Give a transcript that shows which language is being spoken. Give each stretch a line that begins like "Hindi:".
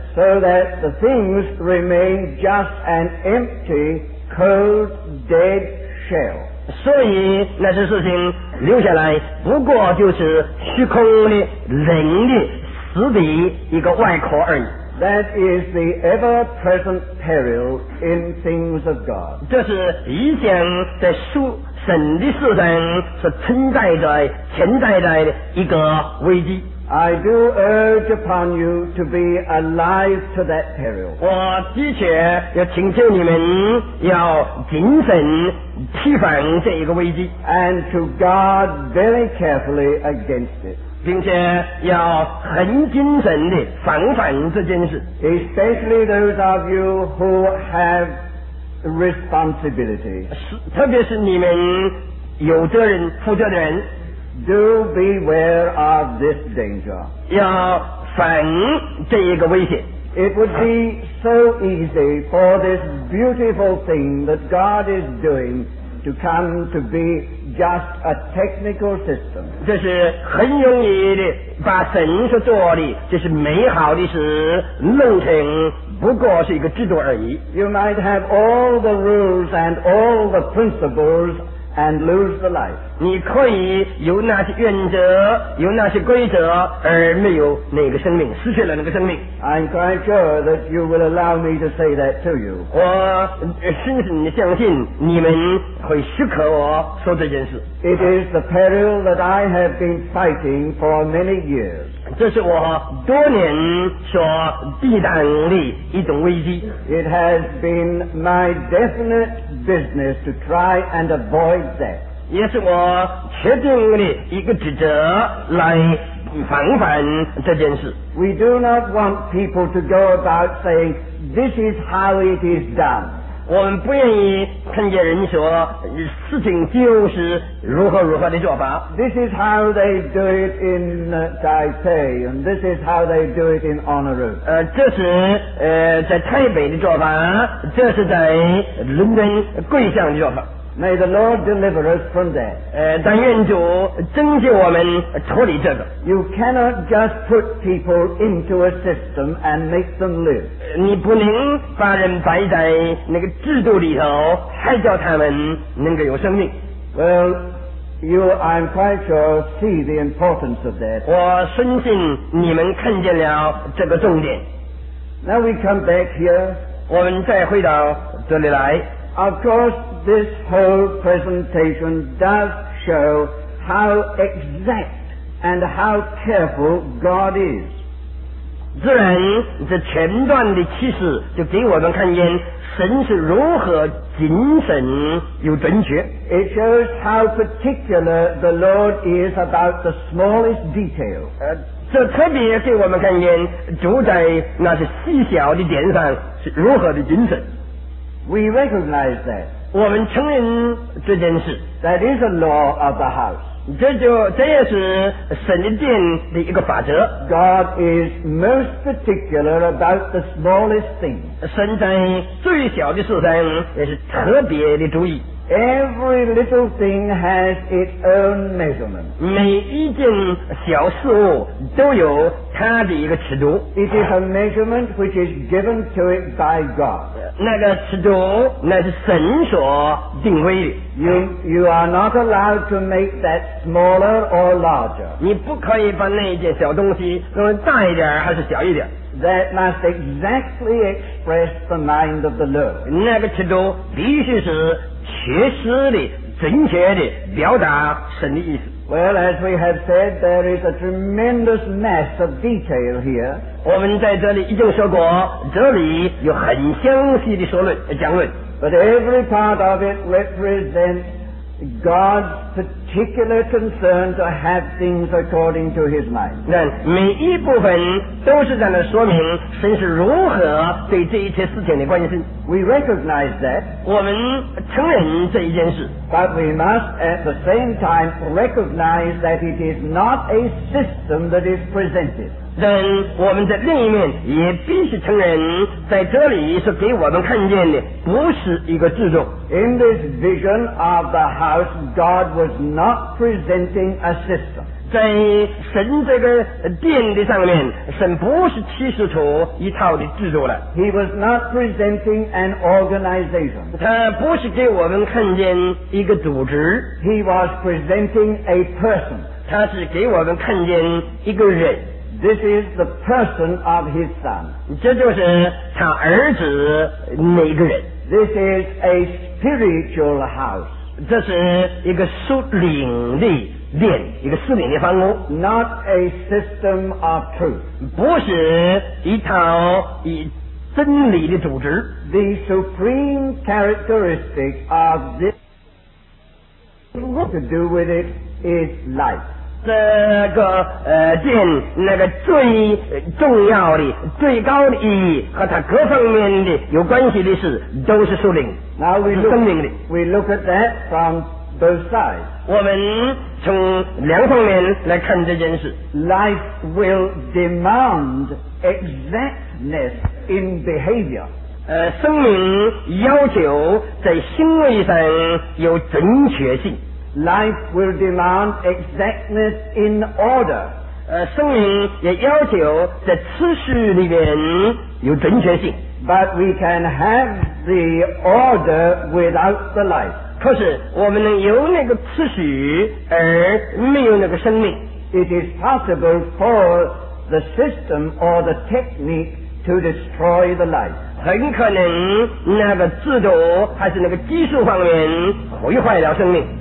English: So that the things remain just an empty, cold, dead shell.
Chinese: 所以那些事情留下来不过就是虚空的灵的死的一个外壳而已。
English: That is the ever-present peril in things of God.
Chinese: 这是一向在属神的事上是存在在潜在在的一个危机。
English: I do urge upon you to be alive to that peril.
Chinese: 我的确要请求你们要谨慎提防这一个危机。
English: And to guard very carefully against it.
Chinese: 并且要很谨慎地防范这件事。
English: Especially those of you who have responsibility.
Chinese: 特别是你们有责任负责的人。
English: Do beware of this danger.
Chinese: 要反这一个危险。
English: It would be so easy for this beautiful thing that God is doing to come to be just a technical system.
Chinese: 这是很容易的，把神所做的这是美好的事弄成不过是一个制度而已。
English: You might have all the rules and all the principles. And lose the life.
Chinese: 你可以有那些原则，有那些规则，而没有那个生命，失去了那个生命。
English: I'm quite sure that you will allow me to say that to you.
Chinese: 我深深地相信你们会许可我说这件事。
English: It is the peril that I have been fighting for many years.
Chinese: 这是我多年所抵挡的一种危机。
English: It has been my definite business to try and avoid.
Chinese: 也是我确定的一个职责来防范这件事。
English: We do not want people to go about saying, this is how it is done.
Chinese: 我们不愿意看见人说事情就是如何如何的做法。
English: This is how they do it in Taipei, and this is how they do it in Honolulu.
Chinese: 这是在台北的做法，这是在伦敦贵乡的做法。
English: May the Lord deliver us from that.
Chinese: 但愿主拯救我们脱离这个。
English: You cannot just put people into a system and make them live.
Chinese: 你不能把人摆在那个制度里头，还叫他们能够有生命。
English: Well, you, I'm quite sure, see the importance of that.
Chinese: 我深信你们看见了这个重点。
English: Now we come back here.
Chinese: 我们再回到这里来。
English: Of course, this whole presentation does show how exact and how careful God is.
Chinese: 自然，这前段的启示就给我们看见神是如何谨慎又准确。
English: It shows how particular the Lord is about the smallest detail.
Chinese: 这特别给我们看见主在那些细小的点上是如何的谨慎。
English: We recognize that.
Chinese: 我们承认这件事。
English: That is a law of the house.
Chinese: 这也是神的殿的一个法则。
English: God is most particular about the smallest thing.
Chinese: 神在最小的事上也是特别的注意。
English: Every little thing has its own measurement.
Chinese: 每一件小事物都有它的一个尺度。
English: It is a measurement which is given to it by God.
Chinese: 那个尺度那是神所定规的。
English: You are not allowed to make that smaller or larger.
Chinese: 你不可以把那一件小东西弄得大一点还是小一点。
English: That must exactly express the mind of the Lord.
Chinese: 那个尺度必须是确实地准确地表达神的意思。
English: Well, as we have said, there is a tremendous mass of detail here.
Chinese: 我们在这里已经说过，这里有很详细的说论、讲论。
English: But every part of it represents God's particular concern to have things according to His mind.
Chinese: 那每一部分都是在那说明神是如何对这一切事情的关心。
English: We recognize that.
Chinese: 我们承认这一件事。
English: But we must at the same time recognize that it is not a system that is presented.
Chinese: 但我们在另一面也必须承认，在这里所给我们看见的不是一个制度。
English: In this vision of the house, God was not presenting a system.
Chinese: 在神这个殿的上面，神不是提示出一套的制度了。
English: He was not presenting an organization.
Chinese: 他不是给我们看见一个组织。
English: He was presenting a person.
Chinese: 他是给我们看见一个人。
English: This is the person of his son.
Chinese: 这就是他儿子那个人。
English: This is a spiritual house.
Chinese: 这是一个属灵的殿，一个属灵的房屋。
English: Not a system of truth.
Chinese: 不是一套以真理的组织。
English: The supreme characteristic of this to do with it is life.
Chinese: 这个殿那个最重要的最高的意义和它各方面的有关系的事都是属灵
English: Now we
Chinese: 是生命的
English: we look at that from both sides.
Chinese: 我们从两方面来看这件事
English: Life will demand exactness in behavior.
Chinese: 生命要求在行为上有准确性
English: Life will demand exactness in order.
Chinese: 生命也要求在次序里面有准确性。
English: But we can have the order without the life.
Chinese: 可是我们能有那个次序而没有那个生命。
English: It is possible for the system or the technique to destroy the life.
Chinese: 很可能那个制度还是那个技术方面毁坏了生命。